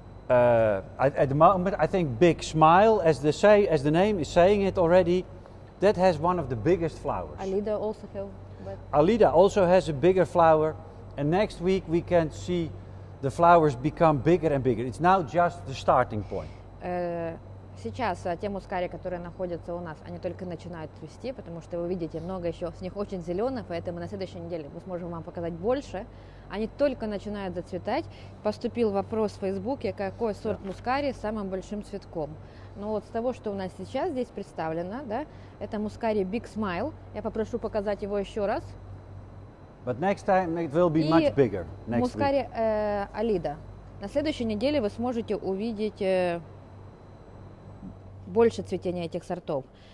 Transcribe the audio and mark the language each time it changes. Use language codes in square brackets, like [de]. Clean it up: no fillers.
[en] At the moment, I think Big Smile, as the name is saying it already, that has one of the biggest flowers. Alida also have. Alida also has a bigger flower, and next week we can see the flowers become bigger and bigger. It's now just the starting point. [ru] Сейчас те мускари, которые находятся у нас, они только начинают цвести, потому что вы видите, много еще с них очень зеленых, поэтому на следующей неделе мы сможем вам показать больше. Они только начинают зацветать. Поступил вопрос в Фейсбуке, какой сорт мускари с самым большим цветком. Но вот с того, что у нас сейчас здесь представлено, да, это мускари Big Smile. Я попрошу показать его еще раз. [en] But next time it will be much bigger. Next [ru] мускари Алида. На следующей неделе вы сможете увидеть больше цветения этих сортов.